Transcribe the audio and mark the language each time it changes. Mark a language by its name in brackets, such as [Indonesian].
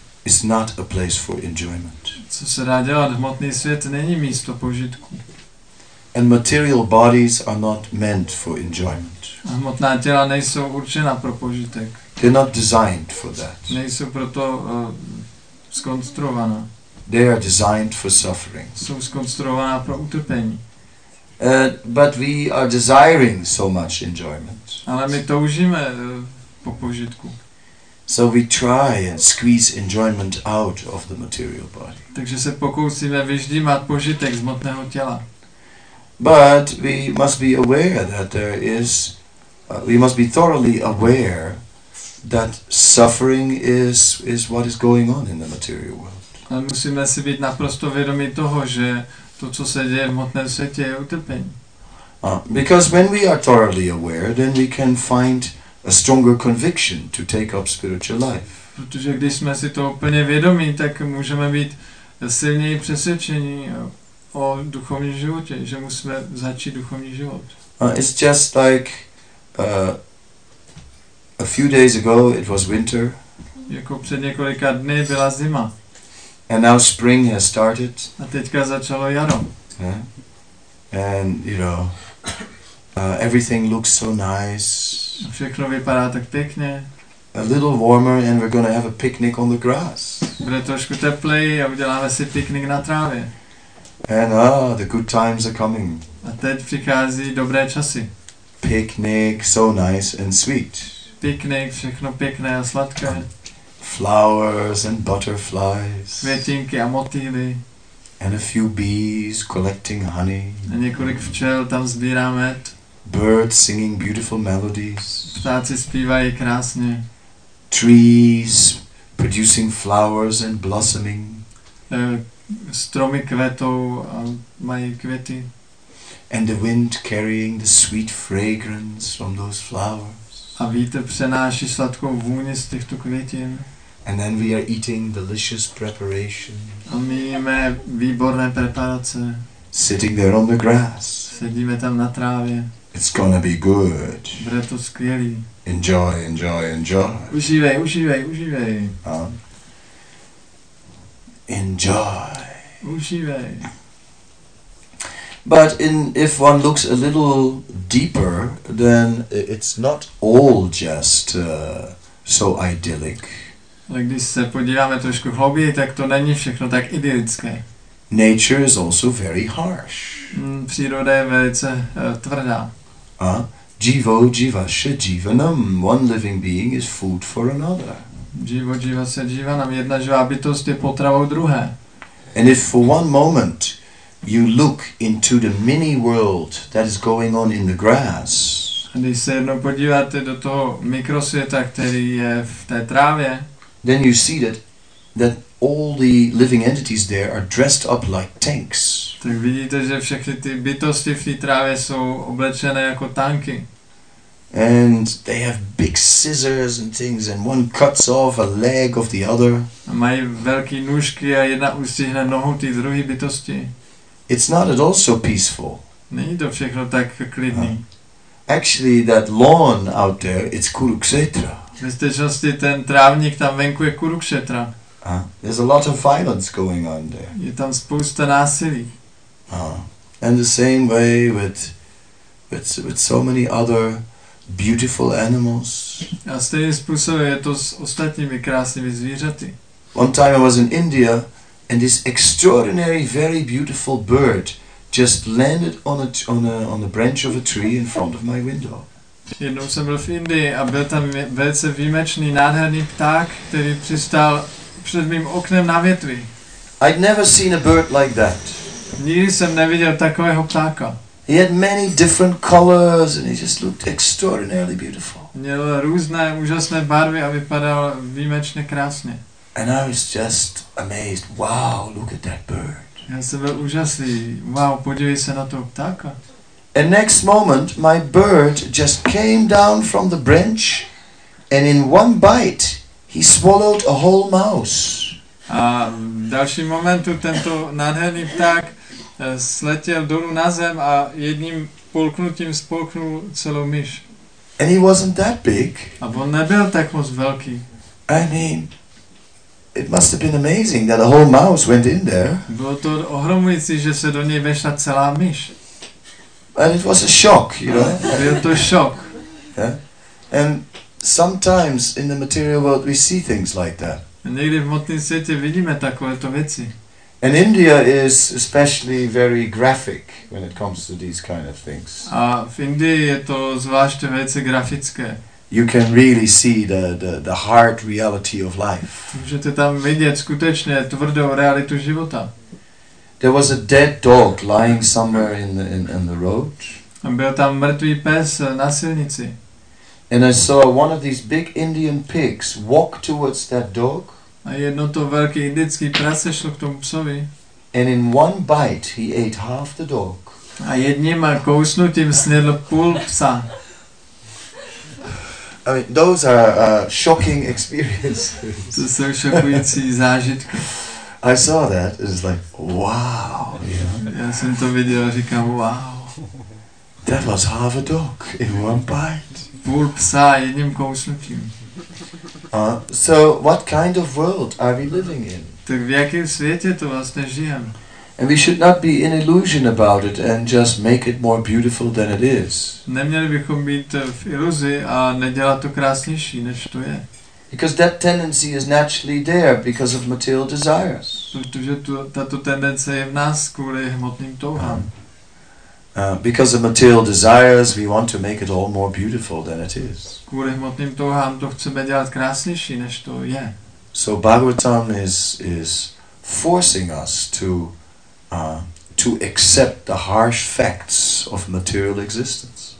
[English] is not a place for enjoyment. [Czech] Co se dá dělat? Hmotný svět není místo požitku. [English] And material bodies are not meant for enjoyment. [Czech] A hmotná těla nejsou určena pro požitek. [English] They're not designed for that. [Czech] Nejsou proto skonstruovaná. [English] They are designed for suffering. [Czech] Jsou skonstruovaná pro utrpení. [English] But we are desiring so much enjoyment. [Czech] Ale my toužíme po požitku. [English] So we try and squeeze enjoyment out of the material body. [Czech] Takže se pokoušíme vyždímat požitek z hmotného těla. [English] But we must be aware that there is we must be thoroughly aware that suffering is what is going on in the material world. [Czech] Ale musíme si být naprosto vědomi toho, že to, co se děje v hmotném světě, je utrpení. [English] Because when we are thoroughly aware, then we can find a stronger conviction to take up spiritual life. [Czech] Protože když jsme si to úplně vědomí, tak můžeme být silněji přesvědčení o duchovní životě, že musíme začít duchovní život. [English] It's just like a few days ago it was winter. [Czech] Jako před několika dny byla zima. [English] And now spring has started. [Czech] A teďka začalo jaro. [English] Yeah. And you know, everything looks so nice. [Czech] Všechno vypadá tak pěkně. [English] A little warmer and we're going to have a picnic on the grass. [Czech] Bude trošku teplej a uděláme si piknik na trávě. [English] And the good times are coming. [Czech] A teď přichází dobré časy. [English] Picnic, so nice and sweet. [Czech] Piknik, všechno pěkné a sladké. [English] Flowers and butterflies. [Czech] Květinky a motýly. [English] And a few bees collecting honey. [Czech] A několik včel tam sbírá med. [English] Birds singing beautiful melodies. [Czech] Ptáci zpívají krásně. [English] Trees producing flowers and blossoming. [Czech] Stromy kvetou a mají květy. [English] And the wind carrying the sweet fragrance from those flowers. [Czech] A vítr přenáší sladkou vůni z těchto květin. [English] And then we are eating delicious preparations. [Czech] A my jíme výborné preparace. [English] Sitting there on the grass. [Czech] Sedíme tam na trávě. [English] It's gonna be good. [Czech] Bude to skvělý. [English] Enjoy, enjoy, enjoy. [Czech] Užívej, užívej, užívej. [English] Enjoy. [Czech] Užívej. [English] But if one looks a little deeper, then it's not all just so idyllic. [Czech] Ale když se podíváme trošku hlouběji, tak to není všechno tak idylické. [English] Nature is also very harsh. [Czech] Příroda je velice tvrdá. [Sanskrit] Jivo jivaše jivanam. [English] One living being is food for another. [Sanskrit] Jivo jivaše jivanam. [Czech] Jedna živá bytost je potravou druhé. [English] And if for one moment you look into the mini world that is going on in the grass. [Czech] A když se jednou podíváte do toho mikrosvěta, který je v té trávě, [English] then you see that all the living entities there are dressed up like tanks. [Czech] Tak vidíte, že všechny ty bytosti v té trávě jsou oblečené jako tanky. [English] And they have big scissors and things, and one cuts off a leg of the other. [Czech] A mají velké nůžky a jedna ustřihne nohu té druhé bytosti. [English] It's not at all so peaceful. [Czech] Není to všechno tak klidný. [English] Actually, that lawn out there, it's Kurukshetra. [Czech] Ve skutečnosti ten trávník tam venku je Kurukshetra. [English] There's a lot of violence going on there. [Czech] Je tam spousta násilí. [English] And the same way with so many other beautiful animals. [Czech] A stejný způsob je to s ostatními krásnými zvířaty. [English] One time I was in India, and this extraordinary, very beautiful bird just landed on a branch of a tree in front of my window. [Czech] Jednou jsem byl v Indii a byl tam velice výjimečný, nádherný pták, který přistál před mým oknem na větvi. [English] I'd never seen a bird like that. [Czech] Nikdy jsem neviděl takového ptáka. [English] He had many different colors and he just looked extraordinarily beautiful. [Czech] Měl různé, úžasné barvy a vypadal výjimečně krásně. [English] And I was just amazed. Wow, look at that bird. [Czech] Já jsem byl úžasný. Wow, podívej se na toho ptáka. [English] And next moment my bird just came down from the branch and in one bite he swallowed a whole mouse. [Czech] A v dalším momentu tento nádherný pták sletěl dolů na zem a jedním polknutím spolknul celou myš. [English] And he wasn't that big. [Czech] A on nebyl tak moc velký. [English] I mean, it must have been amazing that a whole mouse went in there. [Czech] Bylo to ohromující, že se do něj vešla celá myš. [English] And it was a shock, you know. [Czech] Byl to šok. [English] Yeah. And sometimes in the material world we see things like that. [Czech] Někdy v hmotném světě vidíme takovéto věci. [English] And India is especially very graphic when it comes to these kind of things. [Czech] A v Indii je to zvláště velice grafické. [English] You can really see the hard reality of life. [Czech] Můžete tam vidět skutečně tvrdou realitu života. [English] There was a dead dog lying somewhere in the road. [Czech] A byl tam mrtvý pes na silnici. [English] And I saw one of these big Indian pigs walk towards that dog. [Czech] A jedno to velký indický prase šlo k tomu psovi. [English] And in one bite he ate half the dog. [Czech] A jedním kousnutím snědl půl psa. [English] I mean, those are shocking experiences. [Czech] To jsou šokující zážitky. [English] I saw that. It's like, wow. [Czech] Já jsem to viděl, říkám, wow. [English] That was half a dog in one bite. [Czech] Půl psa jedním kousnutím. [English] So, what kind of world are we living in? [Czech] Tak v jakém světě to vlastně žijeme? [English] And we should not be in illusion about it and just make it more beautiful than it is. [Czech] Neměli bychom být v iluzi a nedělat to krásnější, než to je. [English] Because that tendency is naturally there because of material desires. [Czech] Protože tato tendence je v nás kvůli hmotným touhám. [English] Because of material desires, we want to make it all more beautiful than it is. [Czech] Kvůli hmotným touhám to chceme dělat krásnější, než to je. [English] So Bhagavatam is forcing us to accept the harsh facts of material existence.